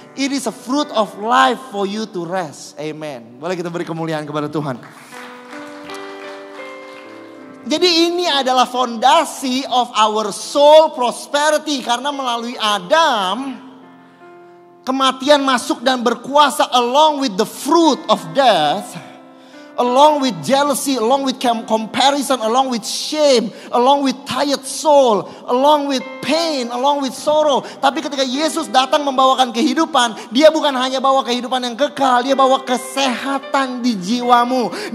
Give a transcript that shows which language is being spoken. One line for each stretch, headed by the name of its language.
English: It is a fruit of life for you to rest.
Indonesian: Amen. Boleh kita beri kemuliaan kepada Tuhan. Jadi ini adalah fondasi
English: of our soul prosperity.
Indonesian: Karena melalui Adam, kematian masuk dan berkuasa
English: along with the fruit of death, along with jealousy, along with comparison, along with shame, along with tired soul, along with pain, along with sorrow.
Indonesian: Tapi ketika Yesus datang membawakan kehidupan, dia bukan hanya bawa kehidupan yang kekal, dia bawa kesehatan di jiwamu.